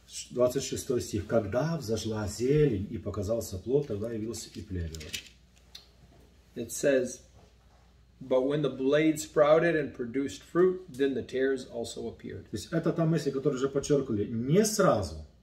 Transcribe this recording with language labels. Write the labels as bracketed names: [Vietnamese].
[Russian] 26 стих. Когда взошла зелень и показался плод, тогда явился и плевелах. [English] It says, but when the blade sprouted and produced fruit, then the tares also appeared. [Russian] То есть это та мысль, которую уже подчеркнули, не сразу.